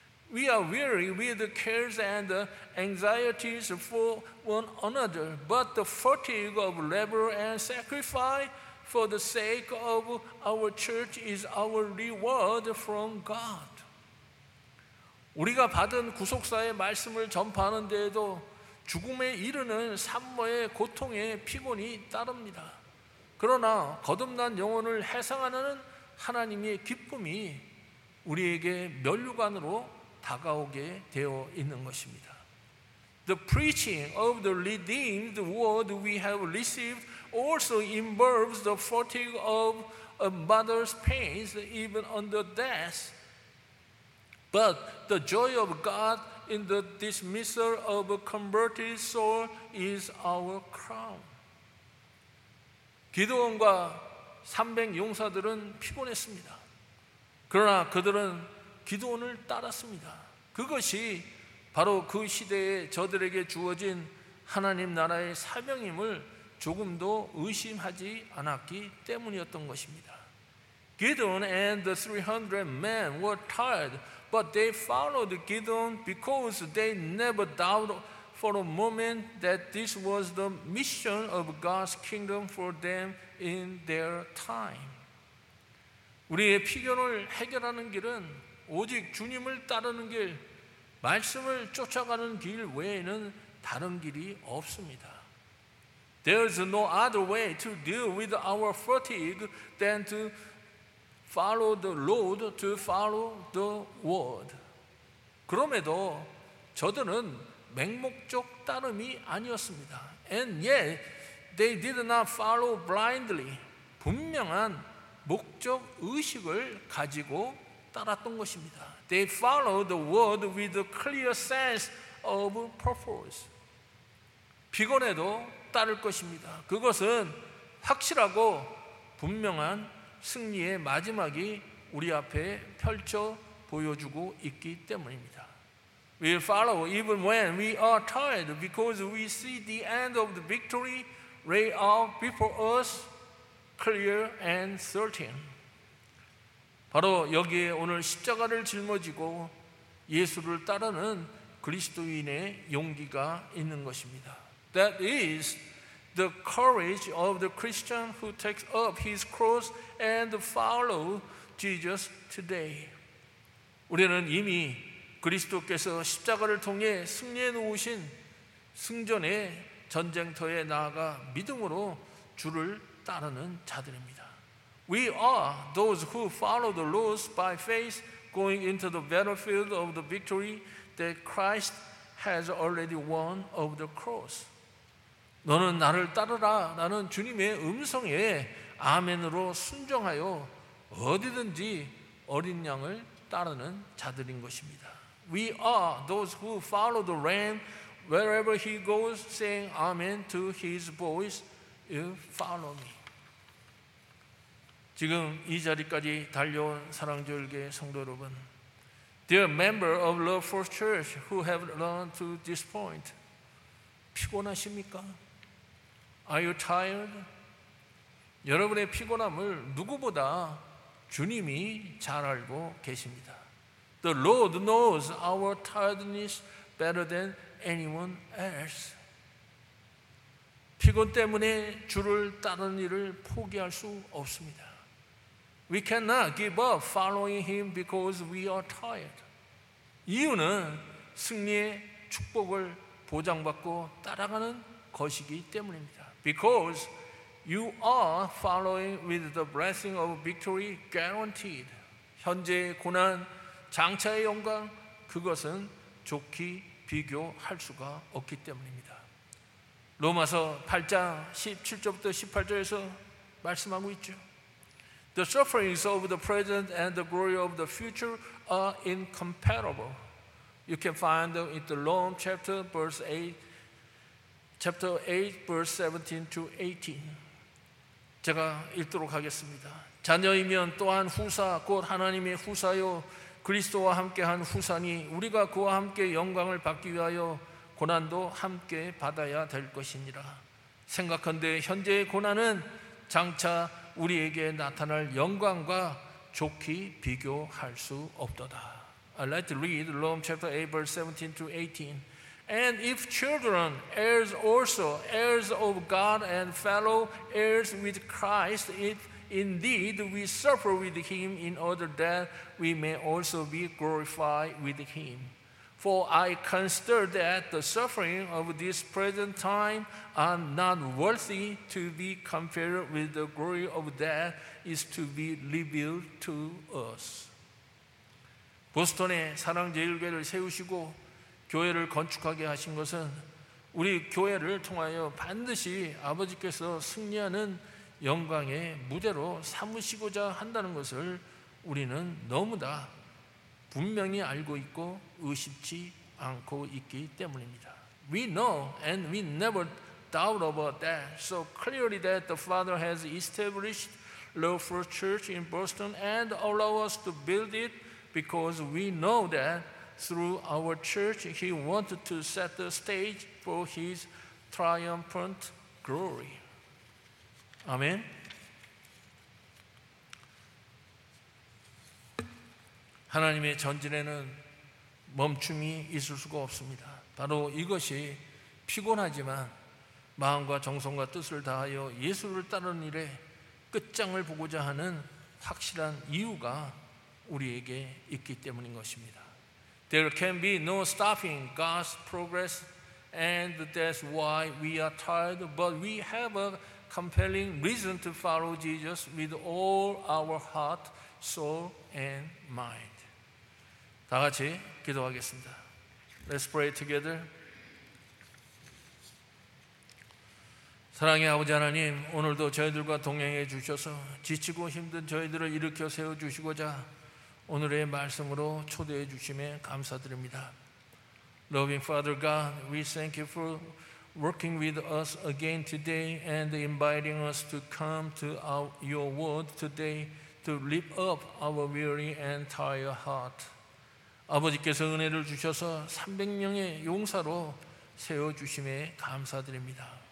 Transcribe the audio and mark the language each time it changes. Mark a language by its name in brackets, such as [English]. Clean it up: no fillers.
[English] We are weary with the cares and the anxieties for one another, but the fatigue of labor and sacrifice for the sake of our church is our reward from God. [Korean] 우리가 받은 구속사의 말씀을 전파하는 데에도 죽음에 이르는 산모의 고통에 피곤이 따릅니다. 그러나 거듭난 영혼을 해상하는 하나님의 기쁨이 우리에게 면류관으로 다가오게 되어 있는 것입니다. [English] The preaching of the redeemed word we have received also involves the fatigue of a mother's pains even under death. But the joy of God in the dismissal of a converted soul is our crown. [Korean] 기드온과 300 용사들은 피곤했습니다. 그러나 그들은 기드온을 따랐습니다. 그것이 바로 그 시대에 저들에게 주어진 하나님 나라의 사명임을 조금도 의심하지 않았기 때문이었던 것입니다. [English] Gideon and the 300 men were tired, but they followed Gideon because they never doubted for a moment that this was the mission of God's kingdom for them in their time. [Korean] 우리의 피곤을 해결하는 길은 오직 주님을 따르는 길, 말씀을 쫓아가는 길 외에는 다른 길이 없습니다. [English] There's no other way to deal with our fatigue than to follow the Lord, to follow the word. [Korean] 그럼에도 저들은 맹목적 따름이 아니었습니다. [English] And yet, they did not follow blindly. [Korean] 분명한 목적 의식을 가지고 따랐던 것입니다. [English] They followed the word with a clear sense of purpose. [Korean] 피곤해도 따를 것입니다. 그것은 확실하고 분명한 승리의 마지막이 우리 앞에 펼쳐 보여주고 있기 때문입니다. [English] We follow even when we are tired because we see the end of the victory lay out before us clear and certain. [Korean] 바로 여기에 오늘 십자가를 짊어지고 예수를 따르는 그리스도인의 용기가 있는 것입니다. [English] That is the courage of the Christian who takes up his cross and follow Jesus today. [Korean] 우리는 이미 그리스도께서 십자가를 통해 승리해 놓으신 승전의 전쟁터에 나아가 믿음으로 주를 따르는 자들입니다. [English] We are those who follow the Lord by faith going into the battlefield of the victory that Christ has already won of the cross. [Korean] 너는 나를 따르라. 나는 주님의 음성에 아멘으로 순종하여 어디든지 어린 양을 따르는 자들인 것입니다. [English] We are those who follow the Lamb wherever he goes, saying amen to his voice, you follow me. [Korean] 지금 이 자리까지 달려온 사랑절개 성도 여러분, [English] dear member of Love First Church who have learned to this point, [Korean] 피곤하십니까? [English] Are you tired? [Korean] 여러분의 피곤함을 누구보다 주님이 잘 알고 계십니다. [English] The Lord knows our tiredness better than anyone else. [Korean] 피곤 때문에 주를 따르는 일을 포기할 수 없습니다. [English] We cannot give up following him because we are tired. [Korean] 이유는 승리의 축복을 보장받고 따라가는 것이기 때문입니다. [English] Because you are following with the blessing of victory guaranteed. [Korean] 현재의 고난, 장차의 영광, 그것은 좋게 비교할 수가 없기 때문입니다. 로마서 8장 17절부터 18절에서 말씀하고 있죠. [English] The sufferings of the present and the glory of the future are incomparable. You can find them in the long chapter, verse 8. Chapter 8, verse 17 to 18. [Korean] 제가 읽도록 하겠습니다. 자녀이면 또한 후사, 곧 하나님의 후사요 그리스도와 함께한 후사니 우리가 그와 함께 영광을 받기 위하여 고난도 함께 받아야 될 것이니라. 생각한대 현재의 고난은 장차 우리에게 나타날 영광과 좋게 비교할 수 없도다. [English] I'd like to read Romans chapter 8, verse 17 to 18. And if children, heirs also, heirs of God and fellow heirs with Christ, if indeed we suffer with him in order that we may also be glorified with him. For I consider that the suffering of this present time are not worthy to be compared with the glory of that is to be revealed to us. [Korean] 보스턴에 사랑제일교회를 세우시고 교회를 건축하게 하신 것은 우리 교회를 통하여 반드시 아버지께서 승리하는 영광의 무대로 삼으시고자 한다는 것을 우리는 너무나 분명히 알고 있고 의심치 않고 있기 때문입니다. [English] We know and we never doubt about that so clearly that the Father has established Love First Church in Boston and allow us to build it because we know that Through our church, he wanted to set the stage for his triumphant glory. [Korean] 아멘. 하나님의 전진에는 멈춤이 있을 수가 없습니다. 바로 이것이 피곤하지만 마음과 정성과 뜻을 다하여 예수를 따르는 일에 끝장을 보고자 하는 확실한 이유가 우리에게 있기 때문인 것입니다. [English] There can be no stopping God's progress, and that's why we are tired, but we have a compelling reason to follow Jesus with all our heart, soul, and mind. [Korean] 다 같이 기도하겠습니다. [English] Let's pray together. [Korean] 사랑의 아버지 하나님, 오늘도 저희들과 동행해 주셔서 지치고 힘든 저희들을 일으켜 세워주시고자 오늘의 말씀으로 초대해 주심에 감사드립니다. [English] Loving Father God, we thank you for working with us again today and inviting us to come to your word today to lift up our weary and tired heart. [Korean] 아버지께서 은혜를 주셔서 300명의 용사로 세워주심에 감사드립니다.